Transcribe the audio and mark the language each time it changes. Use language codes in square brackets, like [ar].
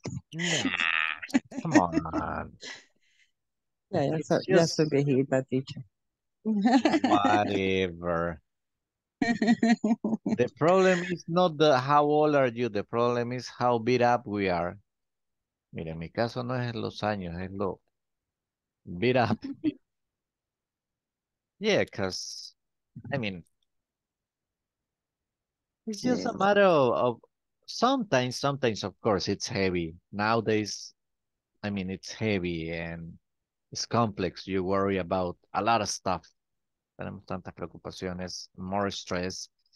[en] Yeah. Come on, man. [es] Ya estoy viejita, teacher. [en] Whatever. The problem is not the how old are you, the problem is how beat up we are. [es] Mira, en mi caso no es los años, es lo beat up. [en] Yeah, because, I mean, it's just a matter of sometimes, of course, it's heavy. Nowadays, I mean, it's heavy and it's complex. You worry about a lot of stuff. [es] Tenemos tantas preocupaciones, [en] more stress.